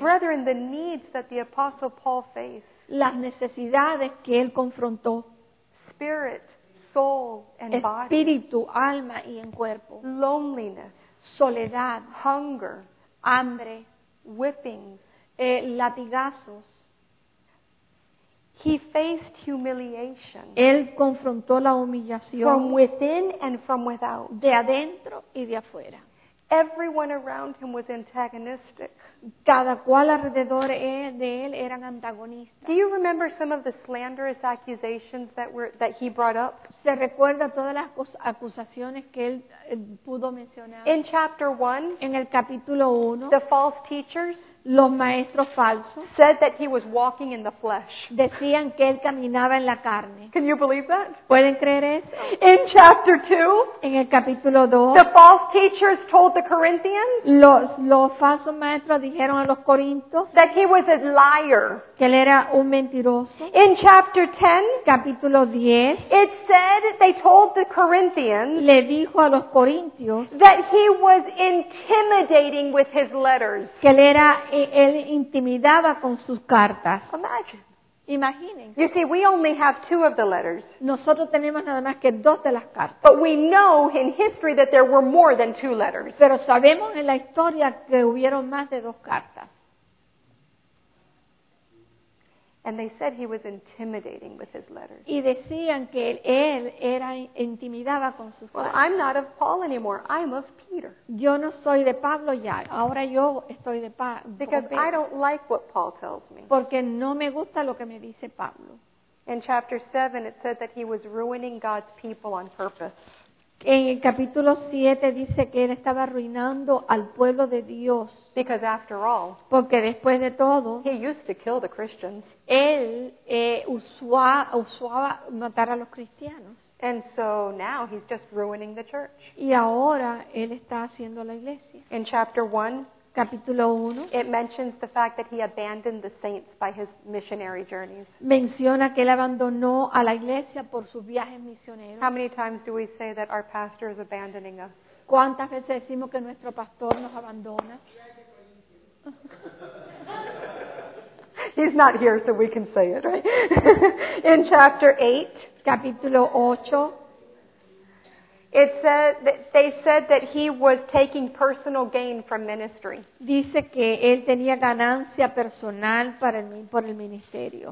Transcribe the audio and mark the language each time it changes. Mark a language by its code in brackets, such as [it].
[en] Brethren, the needs that the Apostle Paul faced. [es] Las necesidades que él confrontó. [en] Spirit, soul, and [es] espíritu, [en] body. [es] Espíritu, alma y en cuerpo. [en] Loneliness. [es] Soledad. [en] Hunger. [es] Hambre. [en] Whippings. [es] Latigazos. [en] He faced humiliation. [es] Él confrontó la humillación. [en] From within and from without. [es] De adentro y de afuera. [en] Everyone around him was antagonistic. [es] Cada cual alrededor de él eran antagonistas. [en] Do you remember some of the slanderous accusations that he brought up? [es] ¿Se recuerda todas las acusaciones que él pudo mencionar? [en] In chapter 1, [es] en el capítulo 1, [en] the false teachers, [es] los maestros falsos, [en] said that he was walking in the flesh. [es] Decían que él caminaba en la carne. [en] Can you believe that? [es] ¿Pueden creer eso? [en] In chapter 2, [es] en el capítulo 2, [en] the false teachers told the Corinthians, [es] los falsos maestros dijeron a los corintios, [en] that he was a liar. [es] Que él era un mentiroso. [en] In chapter 10, [es] capítulo 10, [en] it said they told the Corinthians, [es] le dijo a los corintios, [en] that he was intimidating with his letters. [es] Que él era, él intimidaba con sus cartas. Imaginen. [en] You see, we only have two of the letters. [es] Nosotros tenemos nada más que dos de las cartas. [en] But we know in history that there were more than two letters. [es] Pero sabemos en la historia que hubieron más de dos cartas. [en] And they said he was intimidating with his letters. [es] Y decían que él era intimidaba con sus cartas. [en] Well, I'm not of Paul anymore. I'm of Peter. [es] Yo no soy de Pablo ya. Ahora yo estoy de [en] Because I don't like what Paul tells me. [es] Porque no me gusta lo que me dice Pablo. [en] In chapter 7, it said that he was ruining God's people on purpose. [es] En el capítulo 7 dice que él estaba arruinando al pueblo de Dios. [en] Because after all, [es] porque después de todo, [en] he used to kill the Christians. [es] Él usaba matar a los cristianos. [en] And so now he's just ruining the church. [es] Y ahora él está haciendo la iglesia. [en] In chapter 1, [es] capítulo 1, [en] it mentions the fact that he abandoned the saints by his missionary journeys. [es] Menciona que él abandonó a la iglesia por sus viajes misioneros. [en] How many times do we say that our pastor is abandoning us? [es] ¿Cuántas veces decimos que nuestro pastor nos abandona? [en] He's not here, so we can say it, right? In chapter 8, [es] capítulo 8, [en] it said that they said that he was taking personal gain from ministry. [es] Dice que él tenía ganancia personal para mí por el ministerio.